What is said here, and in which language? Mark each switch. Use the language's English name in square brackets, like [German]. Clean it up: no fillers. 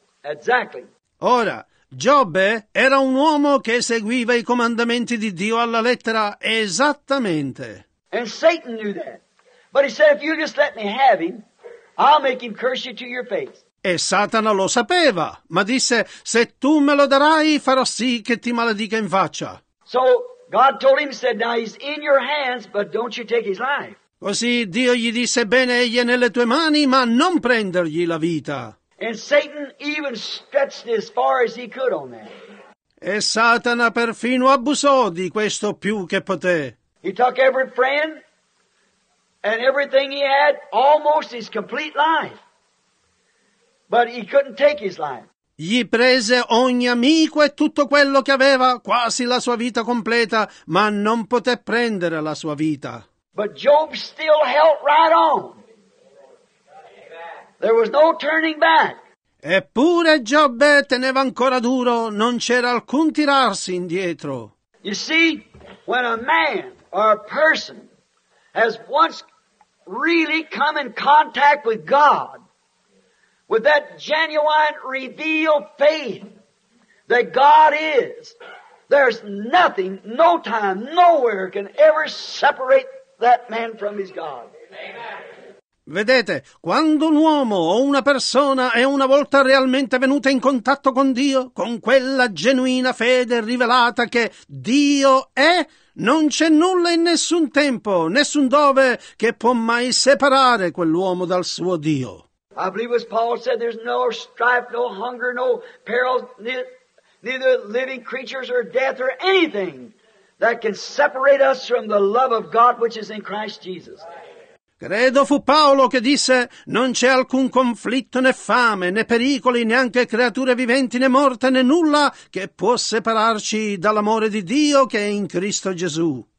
[English] Exactly. [Italian] Ora, Giobbe era un uomo che seguiva i comandamenti di Dio alla lettera esattamente. [English] And Satan knew that. But he said, "If you just let me have him, I'll make him curse you to your face." [Italian] E Satana lo sapeva, ma disse, "Se tu me lo darai, farò sì che ti maledica in faccia." [English] So God told him, said, "Now he's in your hands, but don't you take his life." [Italian] Così Dio gli disse, "Bene, egli è nelle tue mani, ma non prendergli la vita." [English] And Satan even stretched as far as he could on that. [Italian] E Satana perfino abusò di questo più che poté. [English] He took every friend and everything he had, almost his complete life. But he couldn't take his life. [Italian] Gli prese ogni amico e tutto quello che aveva, quasi la sua vita completa, ma non poté prendere la sua vita. [English] But Job still held right on. There was no turning back. [Italian] Eppure Giobbe teneva ancora duro, non c'era alcun tirarsi indietro. [English] You see, when a man or a person has once really come in contact with God, with that genuine revealed faith that God is, there's nothing, no time, nowhere can ever separate that man from his God. Amen. [Italian] Vedete, quando un uomo o una persona è una volta realmente venuta in contatto con Dio, con quella genuina fede rivelata che Dio è, non c'è nulla in nessun tempo, nessun dove che può mai separare quell'uomo dal suo Dio. [English] I believe as Paul said, there's no strife, no hunger, no peril, neither living creatures or death or anything that can separate us from the love of God which is in Christ Jesus. [Italian] Credo fu Paolo che disse, non c'è alcun conflitto né fame, né pericoli, neanche creature viventi né morte né nulla che può separarci dall'amore di Dio che è in Cristo Gesù.